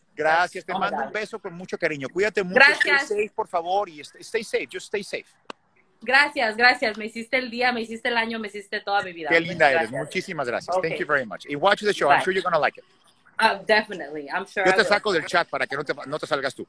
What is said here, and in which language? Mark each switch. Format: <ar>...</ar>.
<es>Gracias, te mando un beso con mucho cariño. Cuídate mucho, gracias.</es> <en>Stay safe,</en> <es>por favor, y</es> <en>stay safe, just stay safe.</en> <es>Gracias, me hiciste el día, me hiciste el año, me hiciste toda mi vida. Qué linda eres, muchísimas gracias.</es> <en>Okay. Thank you very much. And watch the show, I'm sure you're going to like it. Definitely, I'm sure.</en> <es>Yo te saco del chat para que no te salgas tú.</es>